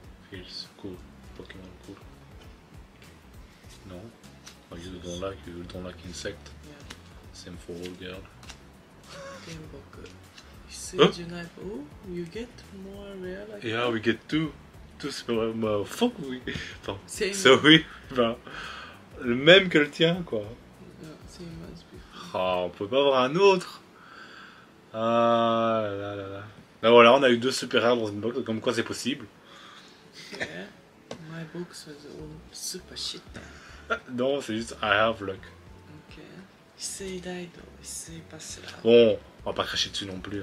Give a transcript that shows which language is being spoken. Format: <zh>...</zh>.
<en>Feels cool, Pokemon cool. No? Oh, you don't like insect? Yeah. Same for all girls. Genboku. Huh? Oh, you get more rare, like yeah, that? We get two super rare,</en> <fr>enfin, c'est vrai, le même que le tien, quoi.</fr> <en>Same as before.</en> <fr>Ah, on peut pas avoir un autre. Ah, là, là, là. Ben voilà, on a eu deux super rares dans une box, comme quoi c'est possible.</fr> <en>Yeah, my box was all super shit.</en> <fr>Non, c'est juste,</fr> <en>I have luck.</en> <fr>C'est Daido, c'est pas cela. Bon, on va pas cracher dessus non plus.</fr>